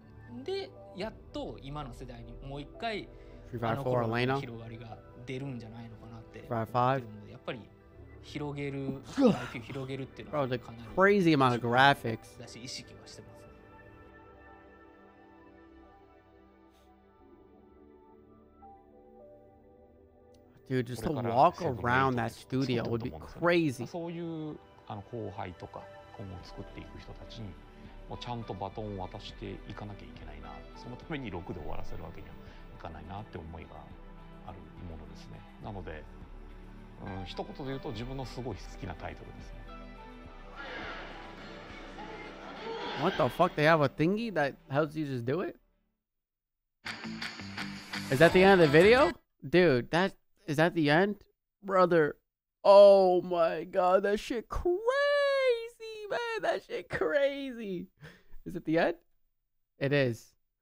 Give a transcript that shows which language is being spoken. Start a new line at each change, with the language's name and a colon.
English: And finally, the current generation will get a chance to expand the spread.
Japanese: 広げる、広げるっていうのはかなり
English: crazy amount of graphics
Japanese: だし意識はしてます。
English: Dude, just to walk around that studio would be crazy。
Japanese: そういうあの後輩とか今後作っていく人たちにもうちゃんとバトンを渡していかなきゃいけないな。そのために6で終わらせるわけにはいかないなって思いがあるものですね。なので。うん、一言で言うと自分のすごい好きなタイトルですね。
English: What the fuck? They have a thingy that helps you just do it? Is that the end of the video? Dude, that is that the end? Brother, oh my god, that shit crazy, man. That shit crazy. Is it the end? It is.